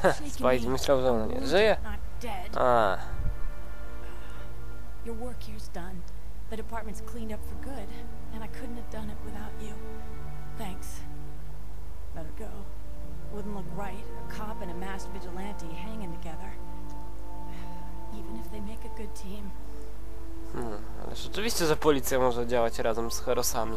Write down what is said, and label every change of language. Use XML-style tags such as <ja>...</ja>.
<pl>Spidey myślał, że ona nie żyje. A.</pl> <en>Your work here's done. The department's cleaned up for good, and I couldn't have done it without you. Thanks. Better go. Wouldn't look right, a cop and a masked vigilante hanging together. Even if they make a good team.</en> <pl>Ale rzeczywiście, że policja może działać razem z Herosami.</pl>